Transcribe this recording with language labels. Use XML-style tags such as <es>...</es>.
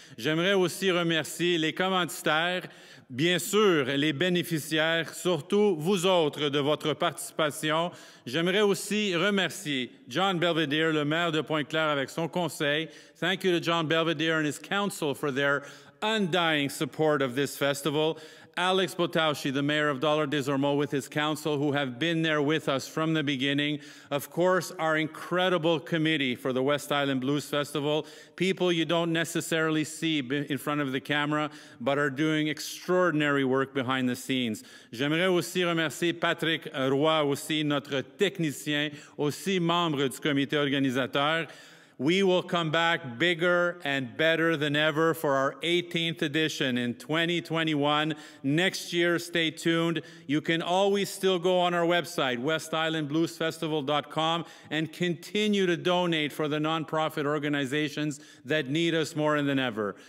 <fr>J'aimerais aussi remercier les commanditaires, bien sûr, les bénéficiaires, surtout vous autres de votre participation. J'aimerais aussi remercier John Belvedere, le maire de Pointe-Claire, avec son conseil.</fr> <en>Thank you to John Belvedere and his council for their undying support of this festival. Alex Buttausci, the mayor of Dollard-Des-Ormeaux, with his council, who have been there with us from the beginning. Of course, our incredible committee for the West Island Blues Festival, people you don't necessarily see in front of the camera, but are doing extraordinary work behind the scenes.</en> <fr>J'aimerais aussi remercier Patrick Roy, aussi notre technicien, aussi membre du comité organisateur.</fr> <en>We will come back bigger and better than ever for our 18th edition in 2021. Next year, stay tuned. You can always still go on our website, westislandbluesfestival.com, and continue to donate for the nonprofit organizations that need us more than ever.</en>